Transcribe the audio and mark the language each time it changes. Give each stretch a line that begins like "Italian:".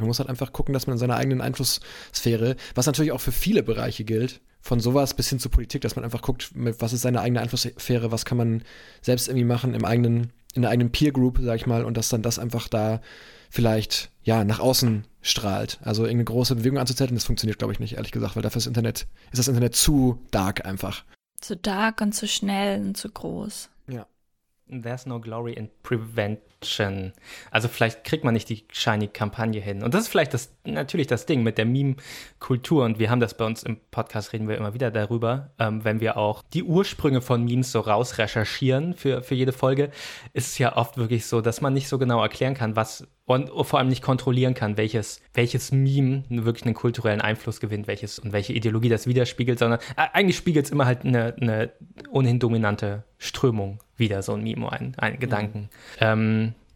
German: Man muss halt einfach gucken, dass man in seiner eigenen Einflusssphäre, was natürlich auch für viele Bereiche gilt, von sowas bis hin zur Politik, dass man einfach guckt, was ist seine eigene Einflusssphäre, was kann man selbst irgendwie machen in der eigenen Peer Group, sag ich mal, und dass dann das einfach da vielleicht, ja, nach außen strahlt. Also irgendeine große Bewegung anzuzetteln, das funktioniert, glaube ich, nicht, ehrlich gesagt, weil dafür ist das Internet zu dark einfach. Zu dark und zu schnell und zu groß. Ja.
English: There's no glory in prevention.
German: Also vielleicht kriegt man nicht die shiny Kampagne hin. Und das ist vielleicht natürlich das Ding mit der Meme-Kultur. Und wir haben das bei uns im Podcast, reden wir immer wieder darüber, wenn wir auch die Ursprünge von Memes so rausrecherchieren für jede Folge, ist es ja oft wirklich so, dass man nicht so genau erklären kann, was und vor allem nicht kontrollieren kann, welches Meme wirklich einen kulturellen Einfluss gewinnt, welches und welche Ideologie das widerspiegelt, sondern eigentlich spiegelt es immer halt eine ohnehin dominante Strömung wieder, so ein Meme, ein Gedanken. Mhm.